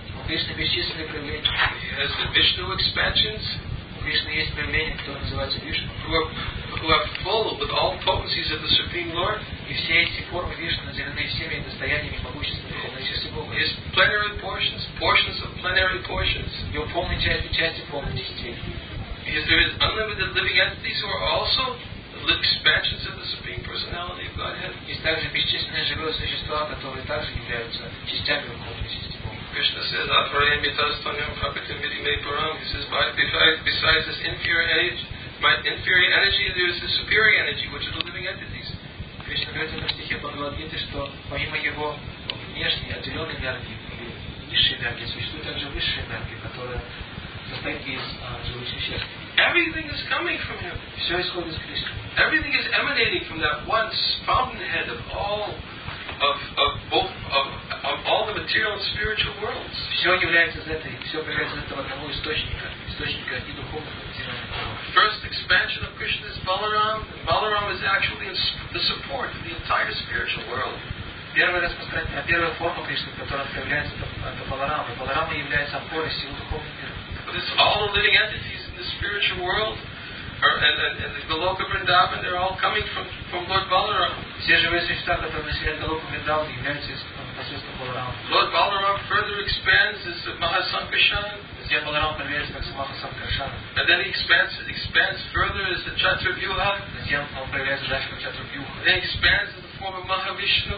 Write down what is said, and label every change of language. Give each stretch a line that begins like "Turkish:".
Russian: У Кришны бесчисленные проявления.
English: He has the Vishnu expansions.
Russian: У Кришны есть проявления, которые называются Вишну.
English: Who are full with all potencies of the Supreme Lord.
Russian: И все эти формы Вишны наделены всеми достояниями и могуществами Верховного Чистого Бога.
English: His plenary portions of plenary portions.
Russian: Его полные части полных частей.
English: Because there is unlimited living entities who are also the expansions of the Supreme Personality of Godhead.
Russian: И также бесчисленные живые существа, которые также являются частями Верховной Системы.
English: Krishna says,
Sanskrit: Atvarya mitasthanyam prakritim mitime param.
English: He says, besides this inferior energy, there is a superior energy, which are the living entities.
Russian: Кришна говорит на стихе Бхагавад Гиты, что помимо его внешней отделенной энергии, низшей энергии, существует также высшая энергия, которая состоит из живых веществ.
English: Everything is coming from him.
Russian: Все исходит из Кришны.
English: Everything is emanating from that one fountainhead of all of all the material and spiritual worlds.
Russian: Все является из этой, все появляется из этого одного источника, источника и духовного.
English: First expansion of Krishna is Balaram, and Balaram is actually the support of the entire spiritual world.
Russian: Первая распространение, первая форма Кришны, которая появляется, это Баларама. И Баларама является опорой силы духовного мира.
English: But it's all the living entities in the spiritual world, and the Goloka Vrindavan, they're all coming from Lord Balaram.
Russian: Все живые существа, которые населяют Голоку Вриндаван, являются посредством Баларама.
English: Lord Balaram further expands as Mahasankarshan. And then he expands further as the Chaturvyuha. Then he expands in the form of Mahavishnu.